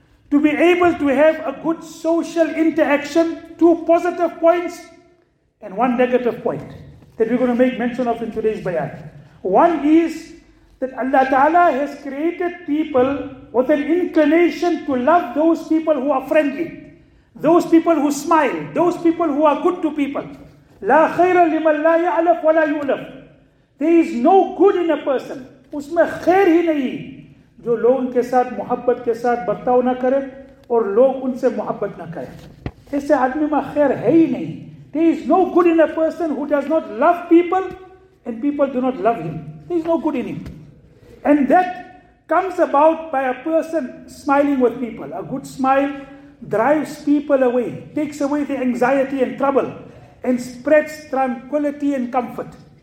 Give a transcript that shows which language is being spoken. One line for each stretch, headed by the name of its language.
English: To be able to have a good social interaction, two positive points and one negative point that we're going to make mention of in today's bayan. One is that Allah Ta'ala has created people with an inclination to love those people who are friendly, those people who smile, those people who are good to people.
Arabic: لا خير لمن لا يعلف ولا يؤلف.
English: There is no good in a person.
Urdu: اس میں خیر ہی نہیں جو لوگوں کے ساتھ محبت کے ساتھ برتاؤ نہ کرے اور لوگ ان سے محبت نہ کریں. ایسے آدمی میں خیر ہے ہی نہیں.
English: There is no good in a person who does not love people and people do not love him. There is no good in him. And that comes about by a person smiling with people. A good smile drives people away, takes away the anxiety and trouble, and spreads tranquility and comfort.